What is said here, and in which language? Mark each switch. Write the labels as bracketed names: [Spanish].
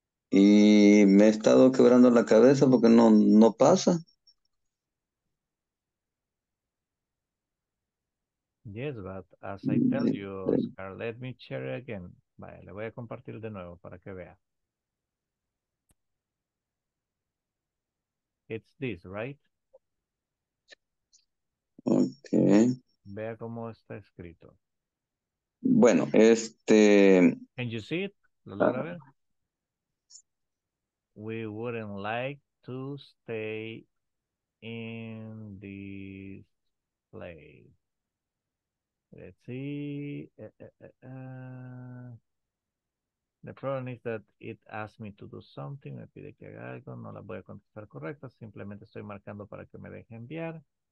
[Spanish] Y me he estado quebrando la cabeza porque no pasa. [English] Yes, but as I tell you, Oscar, let me share again. [Spanish] Vale, le voy a compartir de nuevo para que vea. [English] It's this, right? Okay. [Spanish] Vea cómo está escrito. Bueno, este... [English] Can you see it? [Spanish] ¿Lo logra ver? [English] We wouldn't like to stay in this place. Let's see. The problem is that it asked me to do something. [Spanish] Me pide que haga algo. No la voy a contestar correcta. Simplemente estoy marcando para que me deje enviar.